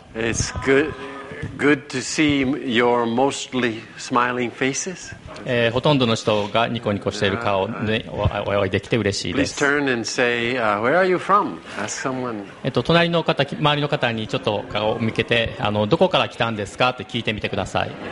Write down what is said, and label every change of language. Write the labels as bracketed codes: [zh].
[en] It's good to see your mostly smiling faces. [ja] ほとんどの人がニコニコしている顔でお会いできて嬉しいです。 [en] Please turn and say, where are you from? Ask someone. [ja] 隣の方、周りの方にちょっと顔を向けて、どこから来たんですかって聞いてみてください。